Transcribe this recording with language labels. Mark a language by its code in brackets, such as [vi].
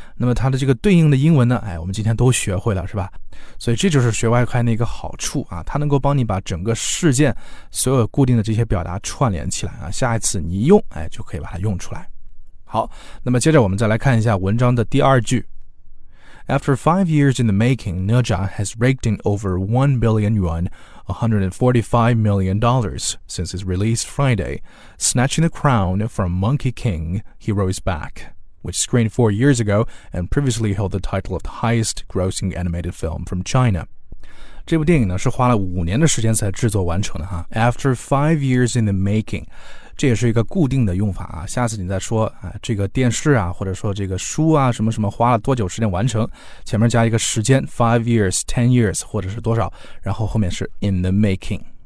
[zh] 那么它的这个对应的英文呢，哎，我们今天都学会了，是吧？所以这就是学外快的一个好处啊，它能够帮你把整个事件所有固定的这些表达串联起来啊，下一次你一用，哎，就可以把它用出来。好，那么接着我们再来看一下文章的第二句。 [en] After 5 years in the making, Neja has raked in over 1 billion yuan, $145 million, since his release Friday, snatching the crown from Monkey King, Heroes Back, which screened 4 years ago and previously held the title of the highest grossing animated film from China. [zh] 这部电影呢是花了五年的时间才制作完成的哈。 [en] After 5 years in the making, [zh] 这也是一个固定的用法啊，下次你再说啊，这个电视啊，或者说这个书啊，什么什么花了多久时间完成，前面加一个时间 ,5 years, 10 years, 或者是多少，然后后面是 in the making。